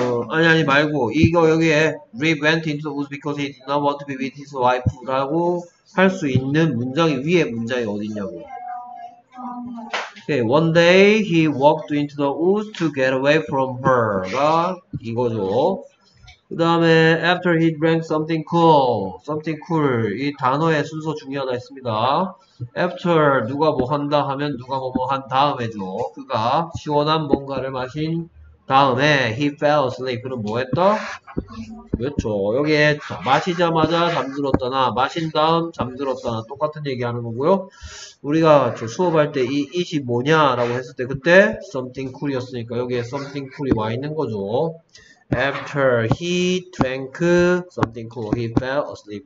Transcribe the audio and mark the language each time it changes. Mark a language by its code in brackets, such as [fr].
[ko] 아니 말고 이거 여기에 [en] Rip went into the woods because he did not want to be with his wife [ko] 라고 할 수 있는 문장이 위에 문장이 어딨냐고. [en] Okay, one day he walked into the woods to get away from her가 [ko] 이거죠. 그 다음에 [en] after he drank something cool, [ko] something cool 이 단어의 순서 중에 하나 있습니다. after 누가 뭐 한다 하면 누가 뭐 한 다음에죠. 그가 시원한 뭔가를 마신 다음에 [en] he fell asleep. [ko] 그럼 뭐 했다? 그렇죠. 여기에 마시자마자 잠들었다나 마신 다음 잠들었다나 똑같은 얘기하는 거고요. 우리가 저 수업할 때 이 it이 뭐냐라고 했을 때 그때 something cool이었으니까 여기에 something cool이 와 있는 거죠. [en] After he drank something cool, he fell asleep.